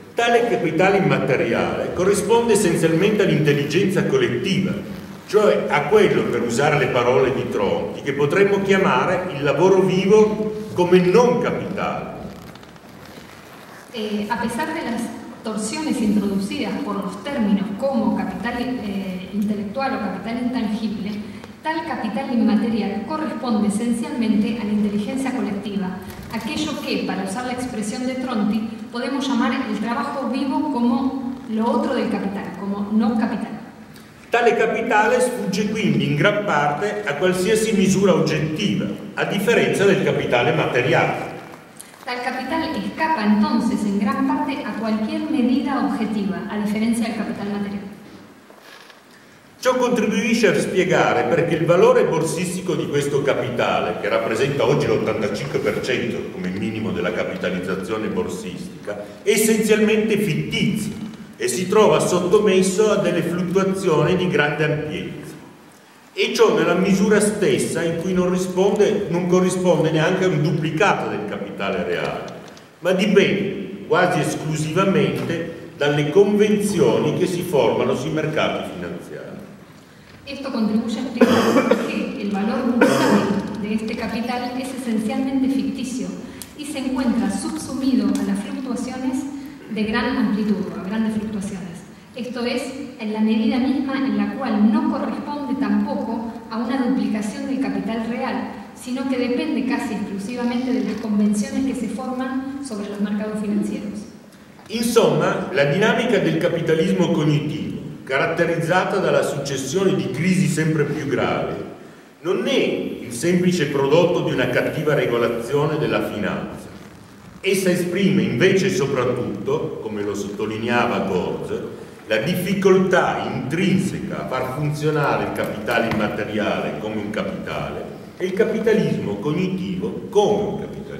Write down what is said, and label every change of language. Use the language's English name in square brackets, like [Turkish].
[Italian] Tale capitale immateriale corrisponde essenzialmente all'intelligenza collettiva, cioè a quello, per usare le parole di Tronti, che potremmo chiamare il lavoro vivo come non capitale. [Spanish] A pesar de las torsiones introducidas por los términos como capital intelectual o capital intangible, tal capital inmaterial corresponde esencialmente a la inteligencia colectiva, aquello que, para usar la expresión de Tronti, podemos llamar el trabajo vivo como lo otro del capital, como no capital. [Italian] Tale capitale sfugge quindi in gran parte a qualsiasi misura oggettiva, a differenza del capitale materiale. [Spanish] Tal capital escapa entonces en gran parte a cualquier medida objetiva, a diferencia del capital material. [Italian] Ciò contribuisce a spiegare perché il valore borsistico di questo capitale, che rappresenta oggi l'85% come minimo della capitalizzazione borsistica, è essenzialmente fittizio e si trova sottomesso a delle fluttuazioni di grande ampiezza. E ciò nella misura stessa in cui non corrisponde neanche a un duplicato del capitale reale, ma dipende quasi esclusivamente dalle convenzioni che si formano sui mercati finanziari. Questo contribuisce a spiegare che il valore unitario di questo capitale è es essenzialmente fittizio e si [Spanish] encuentra subsumido a las fluctuaciones de gran amplitud, a grandes fluctuaciones. Esto es en la medida misma en la cual no corresponde tampoco a una duplicación del capital real, sino que depende casi exclusivamente de las convenciones que se forman sobre los mercados financieros. [Italian] Insomma, la dinámica del capitalismo cognitivo, caratterizzata dalla successione di crisi sempre più gravi, non è il semplice prodotto di una cattiva regolazione della finanza. Essa esprime invece soprattutto, come lo sottolineava Gorz, la difficoltà intrinseca a far funzionare il capitale immateriale come un capitale e il capitalismo cognitivo come un capitalismo.